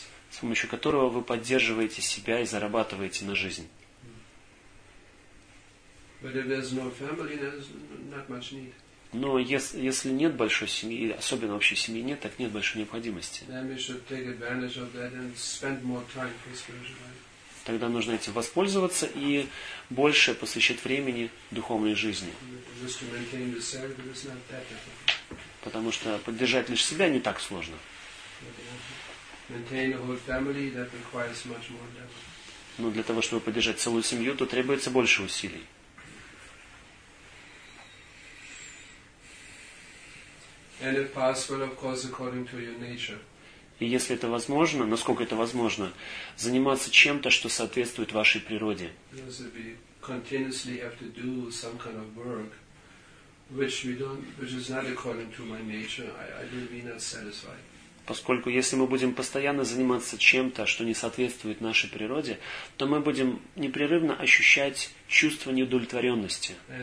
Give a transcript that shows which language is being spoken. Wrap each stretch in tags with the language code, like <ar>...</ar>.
<ru>С помощью которого вы поддерживаете себя и зарабатываете на жизнь.</ru> <en>But if there's no family, there's not much need.</en> <ru>Но если нет большой семьи, особенно общей семьи нет, так нет большой необходимости.</ru> <en>Then we should take advantage of that and spend more time for spiritual life.</en> <ru>Тогда нужно этим воспользоваться и больше посвящать времени духовной жизни.</ru> <en>Just to maintain the service is not that difficult.</en> <ru>Потому что поддержать лишь себя не так сложно.</ru> <en>Maintain a whole family, that requires much more effort.</en> <ru>Но для того, чтобы поддержать целую семью, то требуется больше усилий.</ru> <en>And if possible, of course, according to your nature.</en> <ru>И если это возможно, насколько это возможно, заниматься чем-то, что соответствует вашей природе.</ru> <en>Because we continuously have to do some kind of work, which we don't, which is not according to my nature, I will be not satisfied.</en> <ru>Поскольку если мы будем постоянно заниматься чем-то, что не соответствует нашей природе, то мы будем непрерывно ощущать чувство неудовлетворенности.</ru>